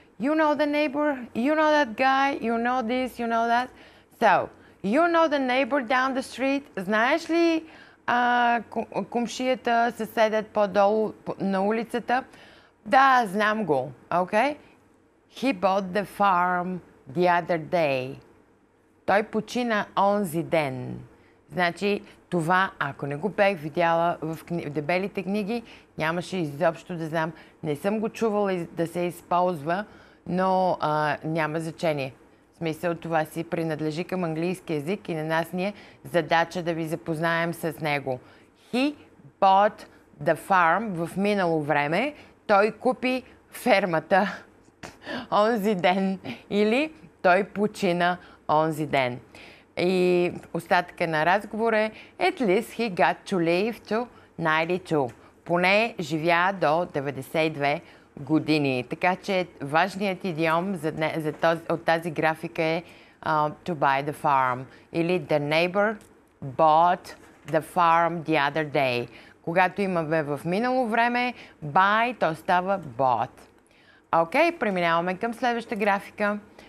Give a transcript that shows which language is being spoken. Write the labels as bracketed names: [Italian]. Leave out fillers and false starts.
[English] You know the neighbor, you know that guy, you know this, you know that. So, you know the neighbor down the street? [Bulgarian] Знаеш ли кумшията, съседът по-долу на улицата? Да, знам го. [English] Okay? He bought the farm the other day. [Bulgarian] Той почина онзи ден. Значи, това, ако не го бях видяла в дебелите книги, нямаше изобщо да знам. Не съм го чувала да се използва. Но няма значение. В смисъл това си принадлежи към английски език и на нас ни е задача да ви запознаем с него. [English] He bought the farm [Bulgarian] в минало време. Той купи фермата онзи ден. Или той почина онзи ден. И остатъка на разговор е [English] At least he got to live to 92. [Bulgarian] Поне живя до 92 години. Така че важният идиом от тази графика е [English] to buy the farm. Или the neighbor bought the farm the other day. [Bulgarian] Когато имаме в минало време buy, то става bought. Окей, преминаваме към следваща графика.